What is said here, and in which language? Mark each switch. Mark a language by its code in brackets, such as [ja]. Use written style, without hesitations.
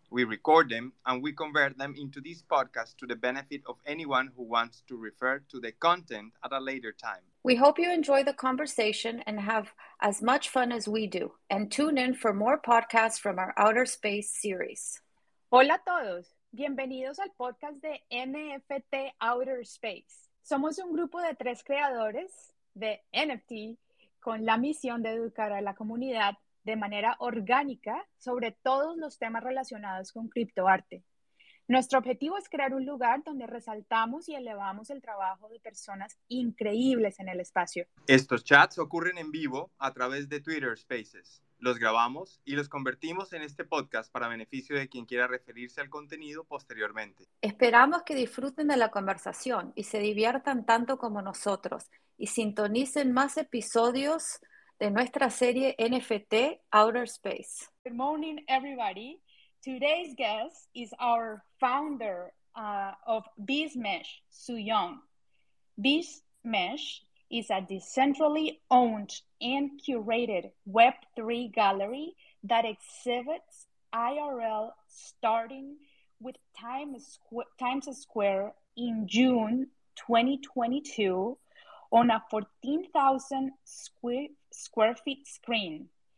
[en] We record them and we convert them into this podcast to the benefit of anyone who wants to refer to the content at a later time. We hope you enjoy the conversation and have as much fun as we do. And tune in for more podcasts from our Outer Space series. [es] Hola a todos. Bienvenidos al podcast de NFT Outer Space. Somos un grupo de tres creadores de NFT con la misión de educar a la comunidad de manera orgánica sobre todos los temas relacionados con criptoarte. Nuestro objetivo es crear un lugar donde resaltamos y elevamos el trabajo de personas increíbles en el espacio. Estos chats ocurren en vivo a través de Twitter Spaces. Los grabamos y los convertimos en este podcast para beneficio de quien quiera referirse al contenido posteriormente. Esperamos que disfruten de la conversación y se diviertan tanto como nosotros y sintonicen más episodios de nuestra serie NFT Outer Space. [en] Good morning, everybody. Today's guest is our founder of Vizmesh, Soo-Young. Vizmesh is a decentrally owned and curated Web3 gallery that exhibits IRL starting with Times Square in June 2022 on a 14,000 square feet screen.